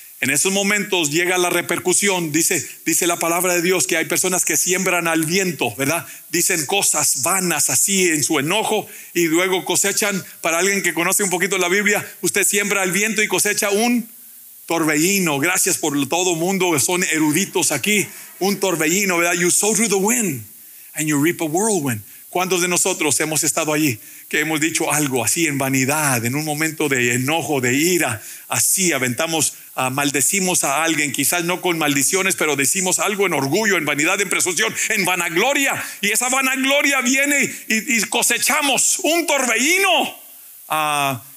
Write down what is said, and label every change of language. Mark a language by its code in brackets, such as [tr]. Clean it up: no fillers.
[es] En esos momentos llega la repercusión. Dice la palabra de Dios que hay personas que siembran al viento, ¿verdad? Dicen cosas vanas así en su enojo y luego cosechan. Para alguien que conoce un poquito la Biblia, usted siembra al viento y cosecha un torbellino. Gracias por todo mundo, son eruditos aquí. Un torbellino, ¿verdad? [en] You sow through the wind and you reap a whirlwind. [es] ¿Cuántos de nosotros hemos estado allí, que hemos dicho algo así en vanidad, en un momento de enojo, de ira, así aventamos, maldecimos a alguien, quizás no con maldiciones, pero decimos algo en orgullo, en vanidad, en presunción, en vanagloria, y esa vanagloria viene y cosechamos un torbellino?